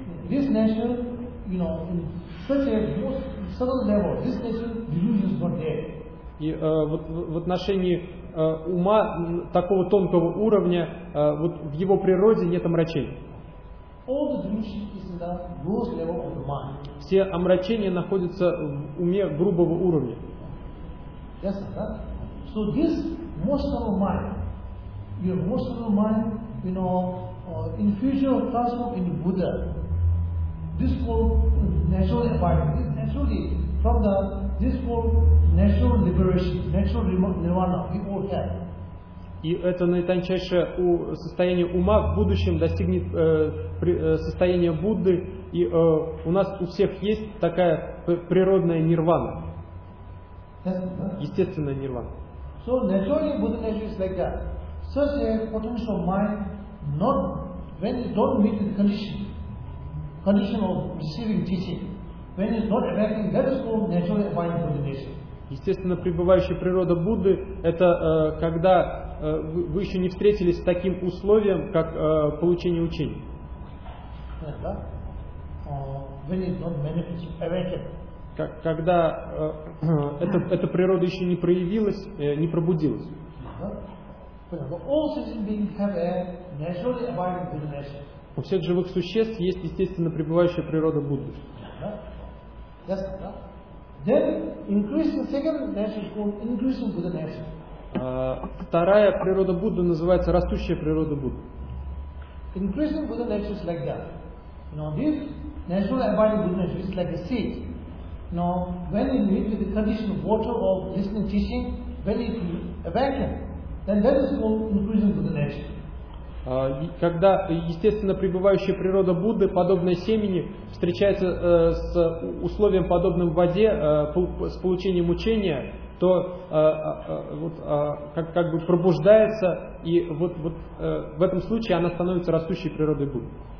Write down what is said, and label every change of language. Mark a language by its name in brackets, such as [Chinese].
[English] This nature, you know, in such a most subtle level, this nature delusions not there. [Russian] И в отношении ума такого тонкого уровня, вот в его природе нет омрачений. [English] All the delusion is in the gross level of the mind. [Russian] Все омрачения находятся в уме грубого уровня. [English] Yes, right? So this most subtle mind, your most subtle mind, you know, in future transform into Buddha. This world naturally abiding, naturally from the this world natural liberation, natural nirvana we all have. [Russian] И это наитончайшее состояние ума в будущем достигнет состояние Будды, и у нас у всех есть такая природная нирвана. Естественная нирвана. [English] So naturally Buddha nature is like that. Such a potential mind not when it don't meet the condition of receiving teaching, when it's not affecting, that is called naturally abiding Buddha nature. [Russian] Естественно пребывающая природа Будды – это когда вы еще не встретились с таким условием, как получение учения. [English] When it's not manifested, awakened. [Russian] Когда эта природа еще не проявилась, не пробудилась. [English] All sentient beings have a naturally abiding Buddha nature. [Russian] У всех живых существ есть естественно пребывающая природа Будды. [English] Yes, then increasing second nature is called increasing Buddha nature. [Russian] Вторая природа Будды называется растущая природа Будды. [English] Increasing Buddha nature is like that. You know, this natural abiding Buddha nature is like a seed. Now, when it meets with the condition of water or listening teaching, when it awakens, then that is called increasing Buddha nature. [Russian] Когда естественно пребывающая природа Будды, подобная семени, встречается с условием, подобным воде, с получением учения, то как бы пробуждается, и в этом случае она становится растущей природой Будды.